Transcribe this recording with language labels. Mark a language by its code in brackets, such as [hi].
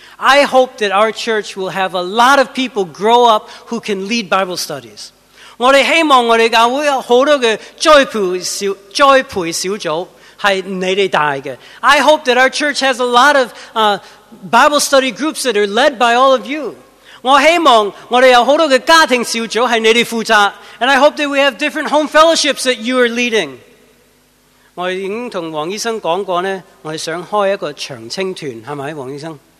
[en] I hope that our church will have a lot of people grow up who can lead Bible studies. [yue] 我哋希望我哋教会有好多嘅栽培小组系你哋带嘅。 [en] I hope that our church has a lot of Bible study groups that are led by all of you. [yue] 我希望我哋有好多嘅家庭小组系你哋负责。 [en] And I hope that we have different home fellowships that you are leading. [yue] 我已经同王医生讲过咧，我哋想开一个长青团，系咪，王医生？